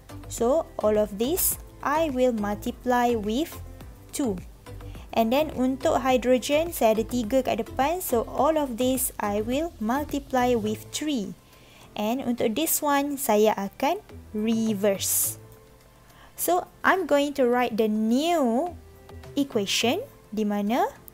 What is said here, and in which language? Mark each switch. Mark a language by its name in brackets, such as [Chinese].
[English] So all of this I will multiply with 2. And then [Malay] untuk hydrogen, saya ada 3 kat depan. [English] So all of this I will multiply with 3. And untuk this one, [Malay] saya akan [English] reverse. So I'm going to write the new equation [Malay] di mana.